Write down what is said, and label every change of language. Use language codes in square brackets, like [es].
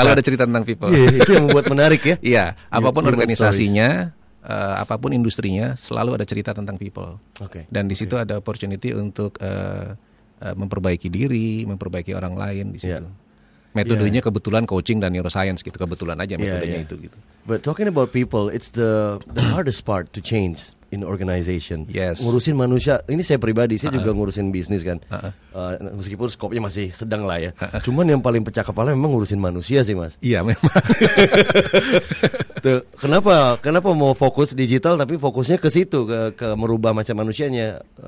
[id] Selalu ada cerita tentang people. Itu yang membuat menarik ya. Iya, apapun organisasinya, apapun industrinya, selalu ada cerita tentang people. [en] Okay. [id] Dan di situ ada opportunity untuk memperbaiki diri, memperbaiki orang lain di situ. [en] Yeah. [id] Metodenya kebetulan coaching dan neuroscience gitu, kebetulan aja metodenya itu gitu. [en] But talking about people, it's the hardest part to change in organization. Yes. [id] Ngurusin manusia, ini saya pribadi, saya juga ngurusin bisnis kan. Meskipun skopnya masih sedang lah ya. Cuman yang paling pecah kepala memang ngurusin manusia sih, Mas. Iya, memang. Tuh, kenapa mau fokus digital tapi fokusnya ke situ, ke merubah macam manusianya?